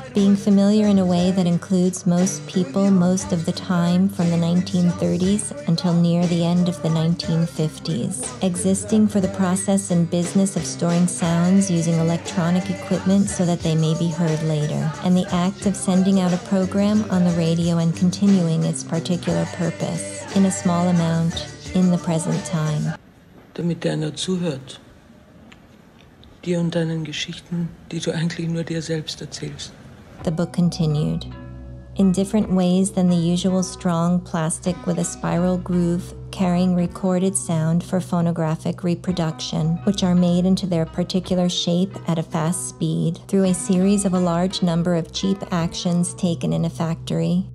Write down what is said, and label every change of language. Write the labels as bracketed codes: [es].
[en] Being familiar in a way that includes most people most of the time from the 1930s until near the end of the 1950s. Existing for the process and business of storing sounds using electronic equipment so that they may be heard later. And the act of sending out a program on the radio and continuing its particular purpose, in a small amount, in the present time. [de] Damit deiner zuhört, dir und deinen Geschichten, die du eigentlich nur dir selbst erzählst. [en] The book continued. In different ways than the usual strong plastic with a spiral groove carrying recorded sound for phonographic reproduction, which are made into their particular shape at a fast speed through a series of a large number of cheap actions taken in a factory.